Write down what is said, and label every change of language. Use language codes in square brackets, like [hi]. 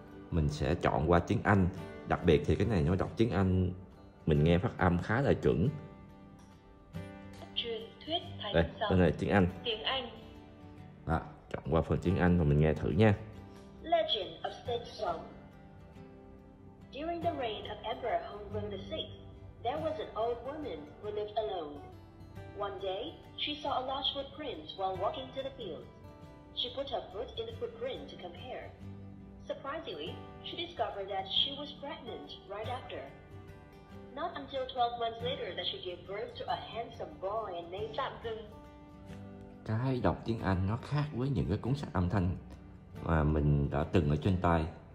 [vi] Mình sẽ chọn qua tiếng Anh, đặc biệt thì cái này nó đọc tiếng Anh, mình nghe phát âm khá là chuẩn. Truyền thuyết thánh đây, giọng. Đây này, tiếng Anh. Tiếng Anh. Đó, chọn qua phần tiếng Anh và mình nghe thử nha. [en] Legend of Saint Song. During the reign of Emperor Hongwen the Sixth, there was an old woman who lived alone. One day, she saw a large footprint while walking to the field. She put her foot in the footprint to compare. Surprisingly, she discovered that she was pregnant right after. Not until 12 months later that she gave birth to a handsome boy named Lam Dung. [vi] Cái đọc tiếng Anh nó khác với những cái cuốn sách âm thanh mà mình đã từng ở trên tai.